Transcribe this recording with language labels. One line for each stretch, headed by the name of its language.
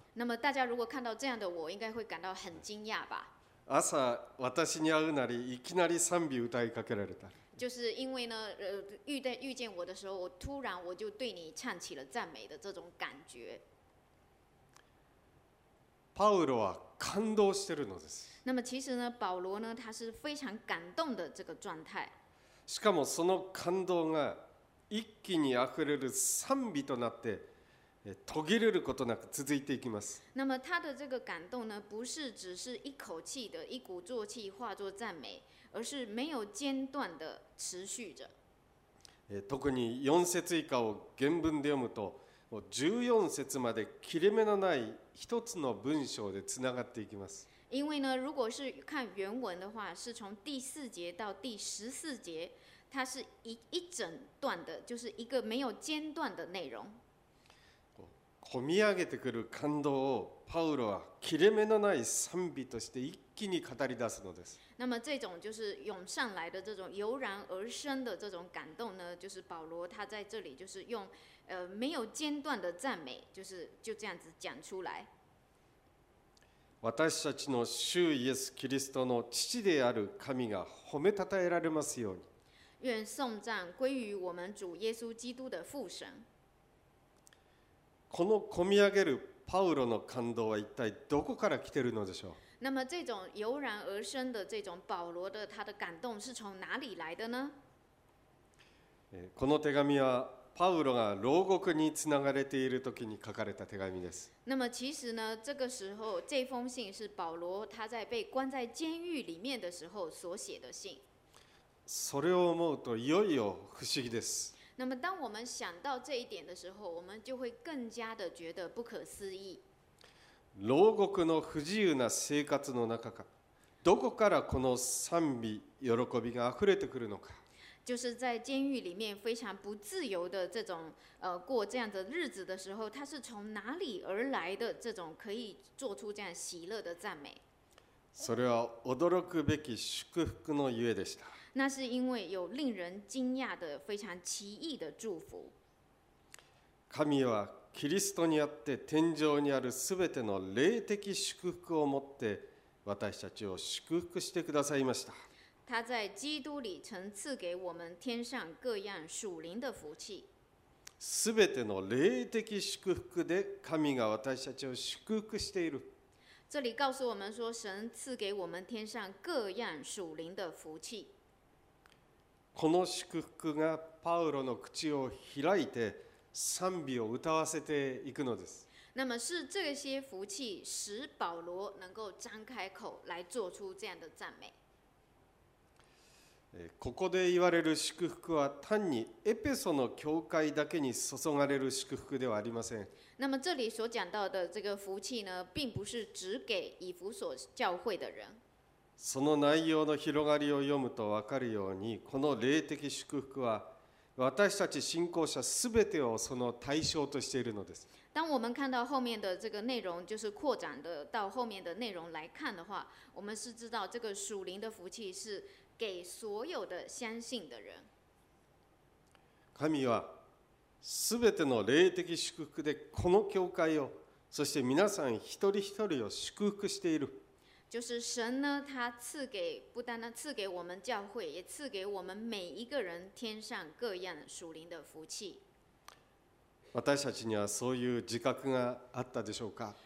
Chinese: 那么大家如果看到这样的我，应该会感到很惊讶吧？
Japanese: 朝私に会うなりいきなり賛美歌いかけられた。
Chinese: 就是因为呢，遇见我的时候，我突然对你唱起了赞美的这种感觉。
Japanese: パウロは感動しているのです。
Chinese: 那么其实呢，保罗呢，他是非常感动的这个状态。
Japanese: しかもその感動が一気に溢れる賛美となって途切れることなく続いていきます。
Chinese: 那么他的这个感动呢，不是只是一口气的一鼓作气化作赞美。而是没有间断的持续着。
Japanese: 特に四節以下を原文で読むと、14節まで切れ目のない一つの文章でつながっていきます。
Chinese: 因为呢，如果是看原文的话，是从第四节到第十四节，它是 一整段的，就是一个没有间断的内容。
Japanese: 込み上げてくる感動をパウロは切れ目のない賛美として一気に語り出すのです。
Chinese: 那么这种就是涌上来的这种油然而生的这种感动呢，就是保罗他在这里就是用没有间断的赞美，就是就这样子讲出来。
Japanese: 私たちの主イエス・キリストの父である神が褒めたたえられますように。
Chinese: 愿颂赞归于我们主耶稣基督的父神。
Japanese: この込み上げるパウロの感動は一体どこから来ているのでしょう。
Chinese: 那么这种油然而生的这种保罗的他的感动是从哪里来的呢？
Japanese: この手紙はパウロが牢獄につながれている時に書かれた手紙です。
Chinese: 那么其实呢，这个时候这封信是保罗他在被关在监狱里面的时候所写的信。
Japanese: それを思うといよいよ不思議です。
Chinese: 那么当我们想到这一点的时候，我们就会更加的觉得不可思议。
Japanese: 牢獄の不自由な生活の中か、どこからこの賛美喜びが溢れてくるのか。
Chinese: 就是在监狱里面非常不自由的这种过这样的日子的时候，他是从哪里而来的这种可以做出这样喜乐的赞美？
Japanese: それは驚くべき祝福のゆえでした。
Chinese: 那是因为有令人惊讶的非常奇异的祝福。
Japanese: 神はキリストにあって天上にあるすべての霊的祝福をもって私たちを祝福してくださいました。
Chinese: 他在基督里曾赐给我们天上各样属灵的福气。
Japanese: すべての霊的祝福で神が私たちを祝福している。
Chinese: 这里告诉我们说，神赐给我们天上各样属灵的福气。
Japanese: この祝福がパウロの口を開いて賛美を歌わせていくのです。
Chinese: 那么是这些福气使保罗能够张开口来做出这样的赞美。
Japanese: ここで言われる祝福は単にエペソの教会だけに注がれる祝福ではありません。
Chinese: 那么这里所讲到的这个福气呢，并不是只给以弗所教会的人。
Japanese: その内容の広がりを読むと分かるように、この霊的祝福は私たち信仰者すべてをその対象としているのです。
Chinese: 当我们看到后面的这个内容，就是扩展的到后面的内容来看的话，我们是知道这个属灵的福气是给所有的相信的人。
Japanese: 神はすべての霊的祝福でこの教会を、そして皆さん一人一人を祝福している。
Chinese: 就是神呢，他赐给不单单赐给我们教会，也赐给我们每一个人天上各样属灵的福气。
Japanese: 私たちにはそういう自覚があったでしょうか？